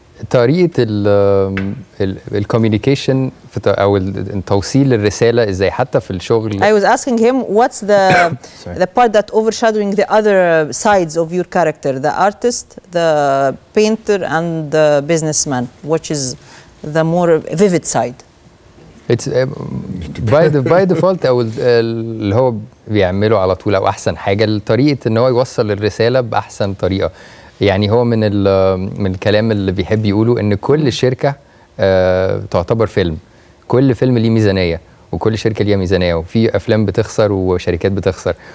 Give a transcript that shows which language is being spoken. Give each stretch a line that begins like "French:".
Arabic: طريقه الكوميونيكيشن او توصيل الرساله ازاي حتى في الشغل.
English: I was asking him what's the part that overshadowing the other sides of your character, the artist, the painter and the businessman, which is the more vivid side. It's by default
Arabic: او اللي هو بيعمله على طول او احسن حاجه, الطريقه ان هو يوصل الرساله باحسن طريقه. يعني هو من الكلام اللي بيحب يقوله ان كل شركه تعتبر فيلم, كل فيلم ليه ميزانيه وكل شركه ليها ميزانيه وفي افلام بتخسر وشركات بتخسر.